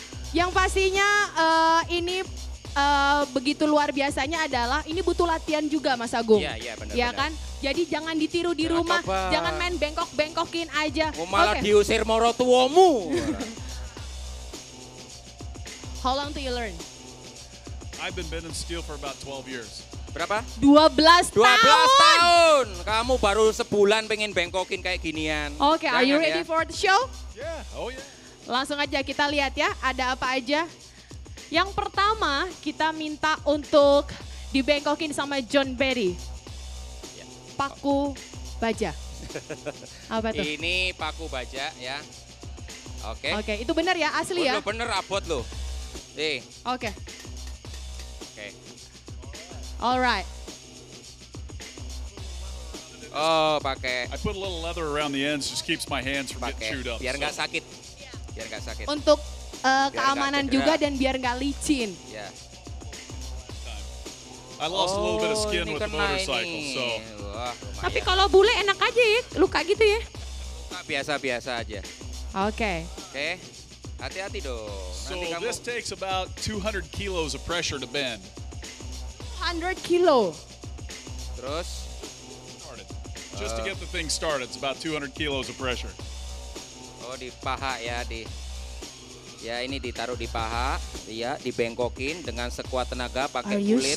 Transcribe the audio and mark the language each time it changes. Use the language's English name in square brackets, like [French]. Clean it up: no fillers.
[Indonesian] Yang pastinya ini begitu luar biasanya adalah ini butuh latihan juga, Mas Agung. Iya, iya, benar. Ya kan? Jadi jangan ditiru di rumah, jangan main bengkok-bengkokin aja. Mau malah diusir moro tuamu. [English] How long do you learn? I've been bending steel for about 12 years. [Indonesian] Berapa? 12 tahun. 12 tahun. Kamu baru sebulan pengen bengkokin kayak ginian. [English] Oke, okay, are you ready for the show? Yeah, oh yeah. [Indonesian] Langsung aja kita lihat ya, ada apa aja. Yang pertama kita minta untuk dibengkokin sama John Berry. Paku baja. Apa tuh? Ini paku baja ya. Oke. Okay. Oke, okay, itu benar ya, asli ya. Bener abot loh. Oke. Oke. [English] Alright. [Indonesian] Oh, pakai. [English] I put a little leather around the ends, just keeps my hands from getting chewed up. [Indonesian] Biar nggak sakit. Biar nggak sakit. Untuk keamanan juga dan biar nggak licin. Ya. [English] Yeah. I lost a little bit of skin with the motorcycle, [Indonesian] ini. [English] So. [Indonesian] Wah, tapi kalau bule enak aja ya, luka gitu ya. Luka biasa-biasa aja. Oke. Okay. Oke. Okay. Hati-hati dong. [English] So this takes about 200 kilos of pressure to bend. [Indonesian] 200 kilo. Terus? [English] Just to get the thing started, it's about 200 kilos of pressure. [Indonesian] Oh, di paha ya, di. Ya, ini ditaruh di paha, ya, dibengkokin dengan sekuat tenaga pakai kulit.